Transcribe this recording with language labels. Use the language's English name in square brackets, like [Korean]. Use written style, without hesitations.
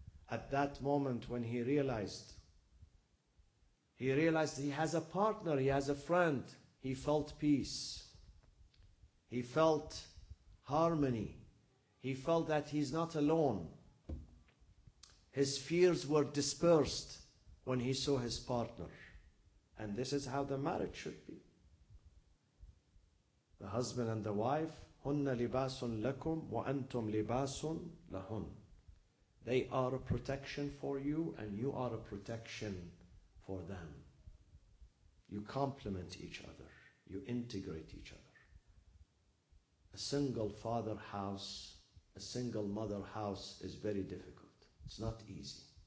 [English] At that moment when he realized he has a partner, he has a friend, he felt peace. He felt harmony. He felt that he's not alone. His fears were dispersed when he saw his partner. And this is how the marriage should be. The husband and the wife, [Arabic] هُنَّ لِبَاسٌ لَكُمْ وَأَنْتُمْ لِبَاسٌ لَهُنْ. [English] They are a protection for you and you are a protection for them. You complement each other. You integrate each other. A single father house, a single mother house is very difficult. It's not easy.